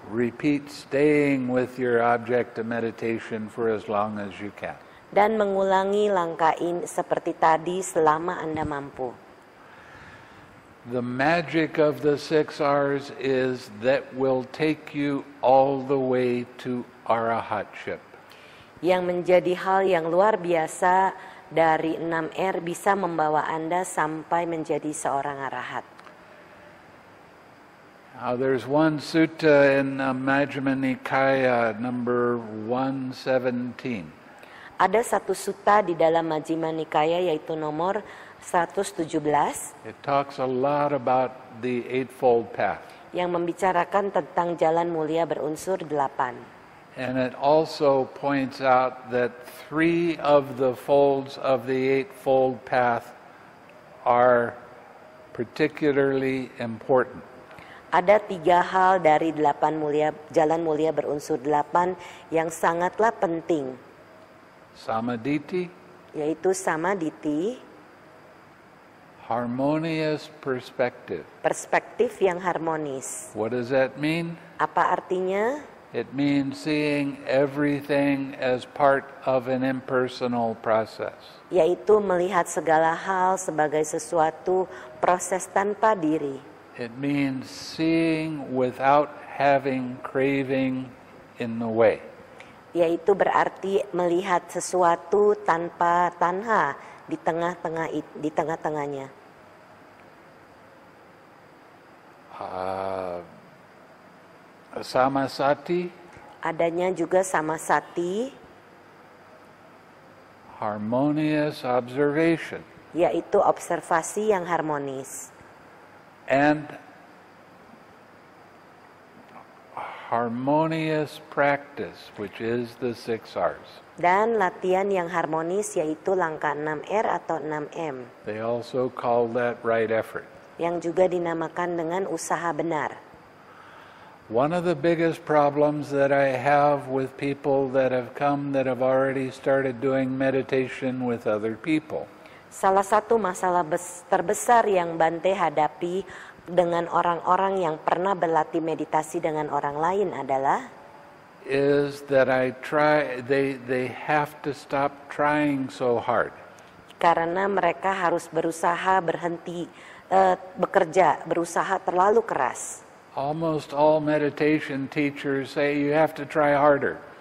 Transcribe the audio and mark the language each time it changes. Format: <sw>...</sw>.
<en>Repeat staying with your object of meditation for as long as you can.</en> <id>Dan mengulangi langkah ini seperti tadi selama Anda mampu.</id> <en>The magic of the six R's is that will take you all the way to arahatship.</en> <id>Yang menjadi hal yang luar biasa dari 6R bisa membawa Anda sampai menjadi seorang arahat.</id> <en>Now, there's one sutta in Majjhima Nikaya number 117.</en> <id>Ada satu sutta di dalam Majjhima Nikaya yaitu nomor 117.</id> <en>It talks a lot about the eightfold path.</en> <id>Yang membicarakan tentang jalan mulia berunsur 8.</id> <en>And it also points out that three of the folds of the eightfold path are particularly important.</en> <id>Ada tiga hal dari jalan mulia berunsur 8 yang sangatlah penting.</id> <en>Samadhiti,</en> <id>yaitu samadhiti.</id> <en>Harmonious perspective.</en> <id>Perspektif yang harmonis.</id> <en>What does that mean?</en> <id>Apa artinya?</id> <en>It means seeing everything as part of an impersonal process.</en> <id>Yaitu melihat segala hal sebagai sesuatu proses tanpa diri.</id> <en>It means seeing without having craving in the way.</en> <id>Yaitu berarti melihat sesuatu tanpa tanha di tengah-tengahnya.</id> <en>Samasati.</en> <id>Adanya juga samasati.</id> <en>Harmonious observation.</en> <id>Yaitu observasi yang harmonis.</id> <en>And harmonious practice, which is the six R's.</en> <id>Dan latihan yang harmonis yaitu langkah 6R atau 6M.</id> <en>They also call that right effort.</en> <id>Yang juga dinamakan dengan usaha benar.</id> <en>One of the biggest problems that I have with people that have come that have already started doing meditation with other people.</en> <id>Salah satu masalah terbesar yang Bhante hadapi dengan orang-orang yang pernah berlatih meditasi dengan orang lain adalah</id> <en>is that I try they have to stop trying so hard.</en> <id>Karena mereka harus berusaha berhenti bekerja, berusaha terlalu keras.</id> <en>Almost all meditation teachers say you have to try harder.</en>